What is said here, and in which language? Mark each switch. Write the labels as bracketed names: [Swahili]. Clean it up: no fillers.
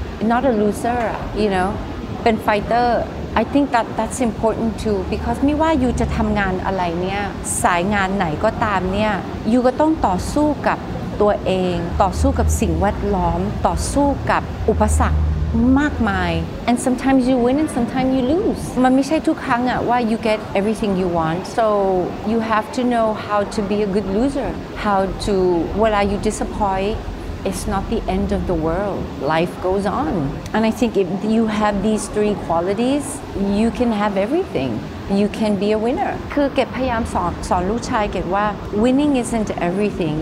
[English] not a loser you know [Thai] เป็นไฟเตอร์ [English] I think that's important too because [Thai] ไม่ว่าอยู่จะทำงานอะไรเนี่ยสายงานไหนก็ตามเนี่ยอยู่ก็ต้องต่อสู้กับตัวเองต่อสู้กับสิ่งแวดล้อมต่อสู้กับอุปสรรค มากมาย [English] and sometimes you win and sometimes you lose [Thai] มันไม่ใช่ทุกครั้งอะว่า [English] you get everything you want so you have to know how to be a good loser how to what are you disappointed it's not the end of the world life goes on and I think if you have these three qualities you can have everythingYou can be a winner. [Thai] คือเกดพยายามสอนลูกชายเกดว่า [English] winning isn't everything.